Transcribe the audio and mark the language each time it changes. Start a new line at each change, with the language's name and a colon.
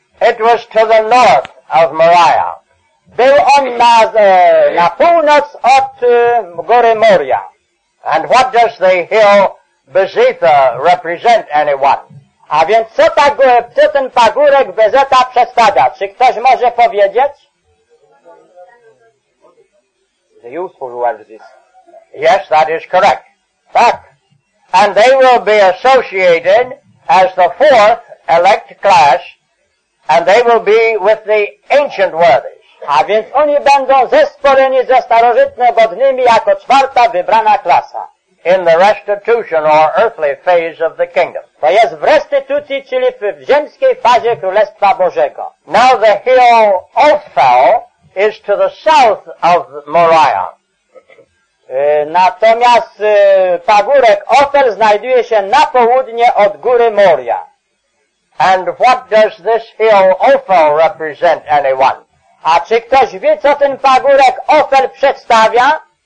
English: It was to the north of Moriah.
Polish: Był on na północ od góry Moria.
English: And what does the hill Bezitha represent, anyone?
Polish: A więc co ten pagórek Bezeta przedstawia? Czy ktoś może powiedzieć?
English: The useful word is this. Yes, that is correct.
Polish: Tak.
English: And they will be associated as the fourth elect class. And they will be with the ancient worthies.
Polish: A więc oni będą zespoleni ze starożytne godnymi jako czwarta wybrana klasa.
English: In the restitution or earthly phase of the kingdom.
Polish: To jest w restytucji, czyli w ziemskiej fazie Królestwa Bożego.
English: Now the hill Ophel is to the south of Moriah.
Polish: Natomiast pagórek Ophel znajduje się na południe od góry Moria.
English: And what does this hill Ophel represent, anyone?
Polish: A czy ktoś wie, co ten pagórek Ophel przedstawia?